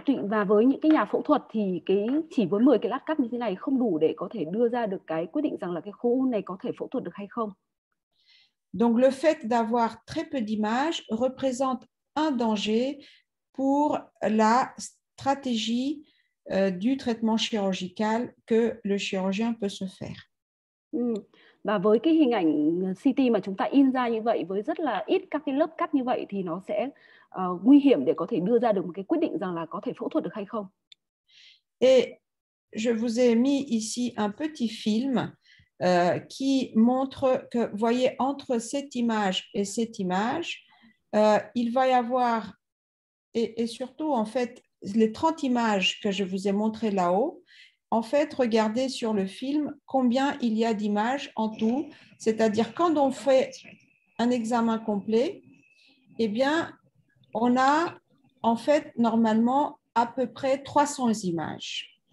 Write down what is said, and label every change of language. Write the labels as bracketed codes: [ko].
[vi] Và với những cái nhà phẫu thuật thì cái chỉ với 10 cái lát cắt như thế này không đủ để có thể đưa ra được cái quyết định rằng là cái khối u này có thể phẫu thuật được hay không. [fr] Donc le fait d'avoir très peu d'images représente un danger pour la stratégie du traitement chirurgical que le chirurgien peut se faire. [vi] Và với cái hình ảnh CT mà chúng ta in ra như vậy với rất là ít các cái lớp cắt như vậy thì nó sẽ nguy hiểm để có thể đưa ra được một cái quyết định rằng là có thể phẫu thuật được hay không. [fr] Et je vous ai mis ici un petit film qui montre que, voyez, entre cette image et cette image, il va y avoir, et surtout, en fait, les 30 images que je vous ai montrées là-haut, en fait, regardez sur le film combien il y a d'images en tout, c'est-à-dire quand on fait un examen complet, eh bien, on a, en fait, normalement, à peu près 300 images.